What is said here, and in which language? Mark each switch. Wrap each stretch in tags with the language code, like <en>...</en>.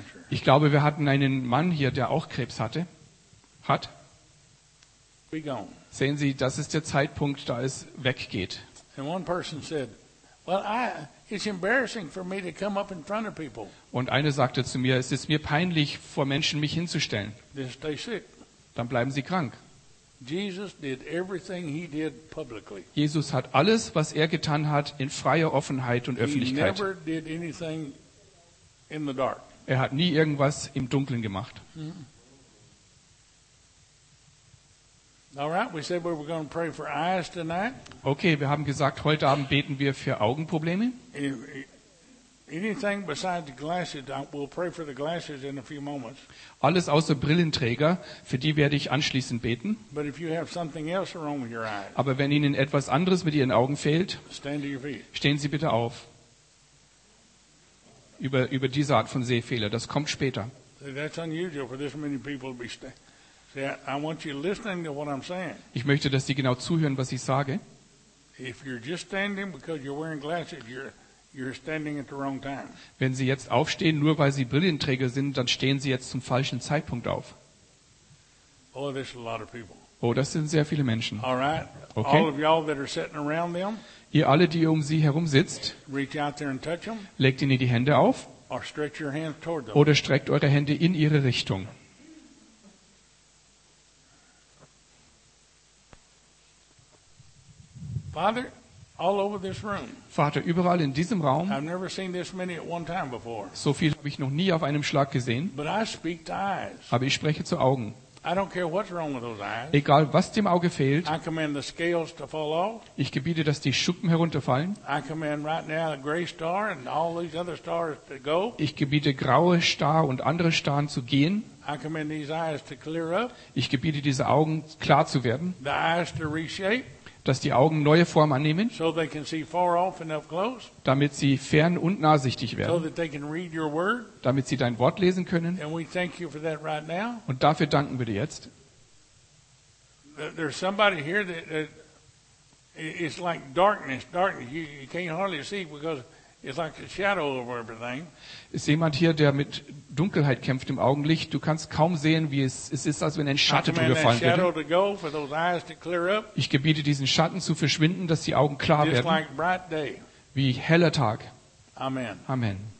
<de>Ich glaube, wir hatten einen Mann hier, der auch Krebs hatte. Hat.</de> <en>Be gone.</en> <de>Sehen Sie, das ist der Zeitpunkt, da es weggeht.</de> <en>And one person said, well, it's embarrassing for me to come up in front of people.</en> <de>Und eine sagte zu mir, es ist mir peinlich, vor Menschen mich hinzustellen.</de> <en>They stay sick.</en> <de>Dann bleiben sie krank.</de> <en>Jesus did everything he did publicly.</en> <de>Jesus hat alles, was er getan hat, in freier Offenheit und Öffentlichkeit.</de> <en>He never did anything in the dark.</en> <de>Er hat nie irgendwas im Dunkeln gemacht.</de> <en>All right, we said we were going to pray for eyes tonight.</en> <de>Okay, wir haben gesagt, heute Abend beten wir für Augenprobleme.</de> <en>Anything besides glasses, we'll pray for the glasses in a few moments.</en> <de>Alles außer Brillenträger, für die werde ich anschließend beten.</de> <en>But if you have something else wrong with your eyes,</en> <de>aber wenn Ihnen etwas anderes mit Ihren Augen fehlt,</de> <en>stand to your feet.</en> <de>Stehen Sie bitte auf. Über diese Art von Sehfehler, das kommt später.</de> <en>That's unusual for this many people to be standing. See, I want you listening to what I'm saying.</en> <de>Ich möchte, dass Sie genau zuhören, was ich sage.</de> <en>If you're just standing because you're wearing glasses, you're standing at the wrong time.</en> <de>Wenn Sie jetzt aufstehen, nur weil Sie Brillenträger sind, dann stehen Sie jetzt zum falschen Zeitpunkt auf.</de> <en>Oh, there's a lot of people.</en> <de>Oh, das sind sehr viele Menschen.</de> <en>All right.</en> <de>Okay.</de> <en>All of y'all that are sitting around them,</en> <de>ihr alle, die um sie herum sitzt,</de> <en>reach out there and touch them,</en> <de>legt ihnen die Hände auf</de> <en>or stretch your hands toward them.</en> <de>Oder streckt eure Hände in ihre Richtung.</de> <en>Father, all over this room.</en> <de>Vater, überall in diesem Raum.</de> <en>I've never seen this many at one time before.</en> <de>So viel habe ich noch nie auf einem Schlag gesehen.</de> <en>But I speak to eyes.</en> <de>Aber ich spreche zu Augen.</de> <en>I don't care what's wrong with those eyes.</en> <de>Egal, was dem Auge fehlt.</de> <en>I command the scales to fall off.</en> <de>Ich gebiete, dass die Schuppen herunterfallen.</de> <en>I command right now the gray star and all these other stars to go.</en> <de>Ich gebiete, graue Star und andere Starren zu gehen.</de> <en>I command these eyes to clear up.</en> <de>Ich gebiete, diese Augen klar zu werden.</de> <en>The eyes to reshape.</en> <de>Dass die Augen neue Form annehmen,</de> <en>so they can see far off enough close,</en> <de>damit sie fern und nahsichtig werden,</de> <en>so that they can read your word,</en> <de>damit sie dein Wort lesen können.</de> <en>And we thank you for that right now.</en> <de>Und dafür danken wir dir jetzt.</de> <en>There's somebody here that it's like darkness. You can't hardly see because It's like a shadow over everything.</en> <de>Ist jemand hier, der mit Dunkelheit kämpft im Augenlicht? Du kannst kaum sehen, wie es ist, als wenn ein Schatten drüber fallen würde. Ich gebiete diesen Schatten zu verschwinden, dass die Augen klar werden.</de> <en>Just like bright day.</en> <de>Wie heller Tag. Amen. Amen.</de>